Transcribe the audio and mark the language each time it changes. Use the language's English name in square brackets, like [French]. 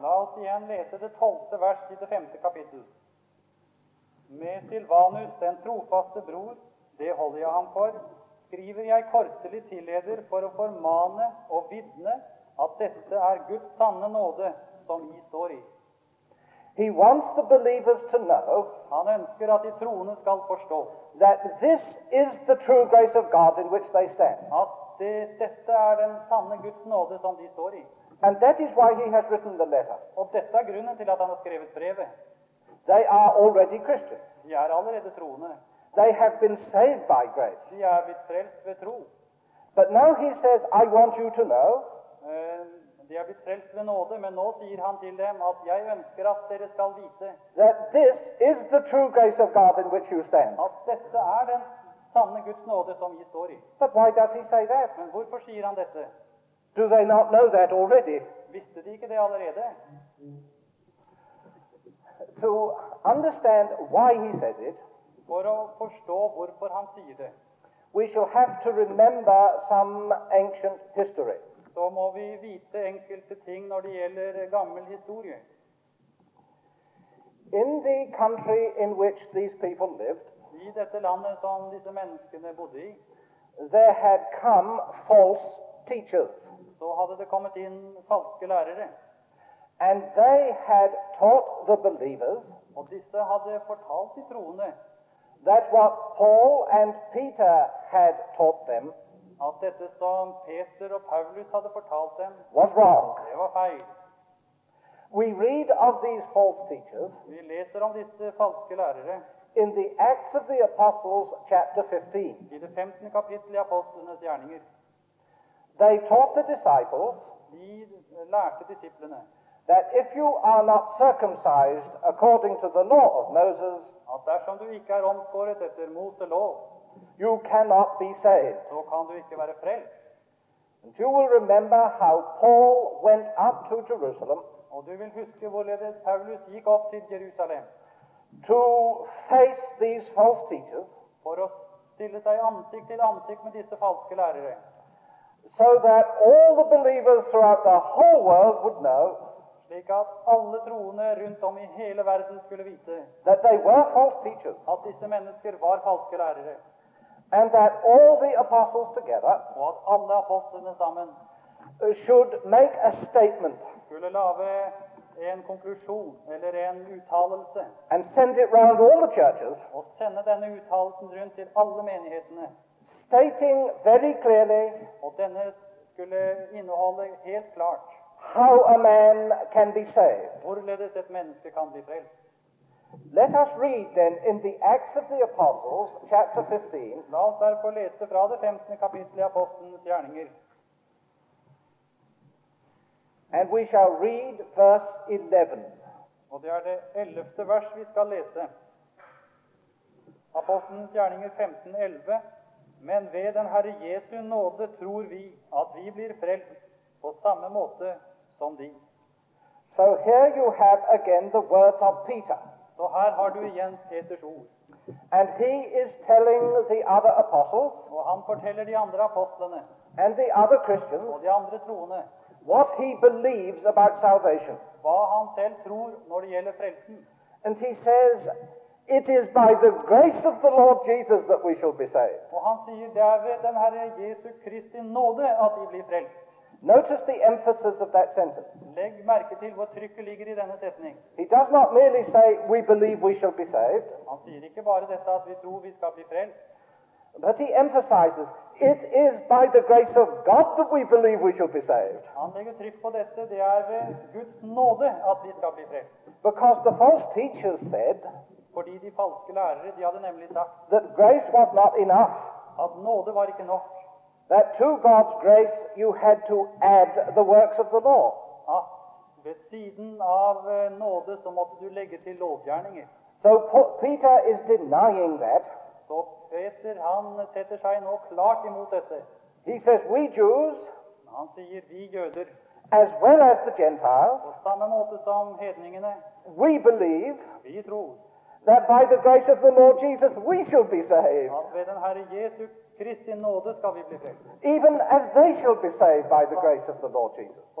[Norwegian] La oss igjen lese det 12. vers i det 5. kapittel. Med Silvanus, den trofaste bror, det holder jeg ham for, skriver jeg kortelig tilleder for å formane og vitne at dette Guds sanne nåde som vi står i. [English] He wants the believers to know, [Norwegian] han ønsker at de troende skal forstå, [English] that this is the true grace of God in which they stand. [Norwegian] At dette den sanne Guds nåde som de står i. [English] And that is why he has written the letter. [Norwegian] Og dette grunnen til at han har skrevet brevet. [English] They are already Christians. [Norwegian] De allerede troende. [English] They have been saved by grace. [Norwegian] De blitt frelst ved tro. [English] But now he says, I want you to know. [Norwegian] De har blitt frelst ved nåde, men nå sier han til dem at jeg ønsker at dere skal vite [English] that this is the true grace of God in which you stand. [Norwegian] At dette er den sanne Guds nåde som vi står i. [English] But why does he say that? [Norwegian] Men hvorfor sier han dette? [English] Do they not know that already? [Norwegian] Visste de ikke det allerede? [English] To understand why he says it, [Norwegian] for å forstå hvorfor han sier det, [English] we shall have to remember some ancient history. [Norwegian] Så må vi vite enkelte ting når det gjelder gammel historie. [English] In the country in which these people lived, [Norwegian] i dette landet som disse menneskene bodde i, [English] there had come false teachers. [Norwegian] Så hadde det kommet inn falske lærere. [English] And they had taught the believers, [Norwegian] og disse hadde fortalt de troende, [English] that what Paul and Peter had taught them, [Norwegian] at dette som Peter og Paulus hadde fortalt dem, [English] was wrong. [Norwegian] Det var feil. [English] We read of these false teachers, [Norwegian] vi leser om disse falske lærere, [English] in the Acts of the Apostles, chapter 15. [Norwegian] I det 15. kapittel i apostlenes gjerninger. [English] They taught the disciples, [Norwegian] de lærte disiplene, [English] that if you are not circumcised according to the law of Moses, [Norwegian] at dersom du ikke er omskåret etter Mose lov, [English] you cannot be saved. [Norwegian] Så kan du ikke være frelst. [English] And you will remember how Paul went up to Jerusalem, [Norwegian] og du vil huske hvorledes Paulus gikk opp til Jerusalem, [English] to face these false teachers, [Norwegian] for å stille seg ansikt til ansikt med disse falske lærere, [English] so that all the believers throughout the whole world would know, [Norwegian] slik at alle troende rundt om i hele verden skulle vite, [English] that they were false teachers, [Norwegian] at disse mennesker var falske lærere, [English] and that all the apostles together, [Norwegian] og at alle apostlene sammen, [English] should make a statement, [Norwegian] skulle lave en konklusjon eller en uttalelse, [English] and send it round all the churches, [Norwegian] og sende denne uttalelsen rundt til alle menighetene, [English] stating very clearly, [Norwegian] og denne skulle inneholde helt klart, [English] how a man can be saved. [Norwegian] Hvorledes et menneske kan bli frelst. [English] Let us read then in the Acts of the Apostles, chapter 15. [Norwegian] La oss derfor lese fra det 15. kapittel i apostlenes gjerninger. [English] And we shall read verse 11. [Norwegian] Og det er det 11. vers vi skal lese. Apostlenes gjerninger 15, 11. Men ved den Herre Jesu nåde tror vi at vi blir frelst på samme måte som de. [English] So here you have again the words of Peter. [Norwegian] Så her har du igjen Peters ord. [English] And he is telling the other apostles, [Norwegian] og han forteller de andre apostlene, [English] and the other Christians, [Norwegian] og de andre troende, [English] what he believes about salvation. [Norwegian] Hva han selv tror når det gjelder frelsen. [English] And he says, it is by the grace of the Lord Jesus that we shall be saved. [Norwegian] Og han sier, det er ved den Herre Jesu Kristi nåde at vi blir frelst. [English] Notice the emphasis of that sentence. [Norwegian] Legg merke til hvor trykket ligger i denne setning. [English] He does not merely say, we believe we shall be saved. [Norwegian] Han sier ikke bare dette at vi tror vi skal bli frelst. [English] But he emphasizes, it is by the grace of God that we believe we shall be saved. [Norwegian] Han legger trykk på dette, det er ved Guds nåde at vi skal bli frelst. [English] Because the false teachers said, [Norwegian] fordi de falske lærere, de hadde nemlig sagt, [English] that grace was not enough. [Norwegian] At nåde var ikke nok. [English] That to God's grace you had to add the works of the law. [Norwegian] Ah, ved siden av nåde så måtte du legge til lovgjerninger. [English] So Peter is denying that. [Norwegian] Så Peter, han setter seg nå klart imot dette. [English] He says, we Jews, [Norwegian] han sier vi jøder, [English] as well as the Gentiles, [Norwegian] på samme måte som hedningene, [English] we believe, [Norwegian] vi tror, [English] that by the grace of the Lord Jesus we shall be saved. [Norwegian] At ved den Herre Jesu Kristi nåde skal vi bli frelst. [English] Even as they shall be saved by the grace of the Lord Jesus.